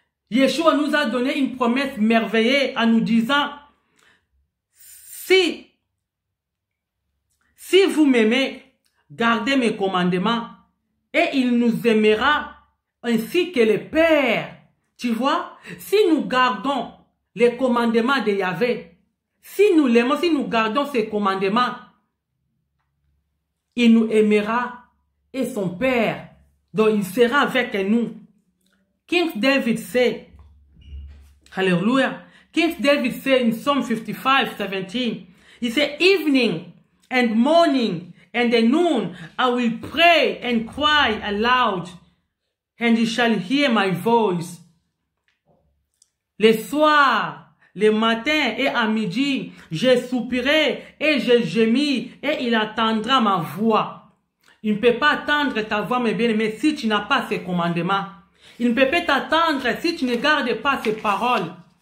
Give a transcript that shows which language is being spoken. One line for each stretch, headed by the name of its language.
French: Yeshua nous a donné une promesse merveilleuse en nous disant, si vous m'aimez, gardez mes commandements et il nous aimera ainsi que le Père. Tu vois, si nous gardons les commandements de Yahvé, si nous l'aimons, si nous gardons ses commandements, il nous aimera et son Père, donc il sera avec nous. King David sait, alléluia, King David sait
English: in Psalm 55, 17,
French: il sait,
English: evening and morning and the noon, I will pray and cry aloud, and you shall hear my voice.
French: Le soir, le matin et à midi, je soupirai et je gémis et il attendra ma voix. Il ne peut pas attendre ta voix, mes bien-aimés, si tu n'as pas ses commandements. Il ne peut pas t'attendre si tu ne gardes pas ses paroles.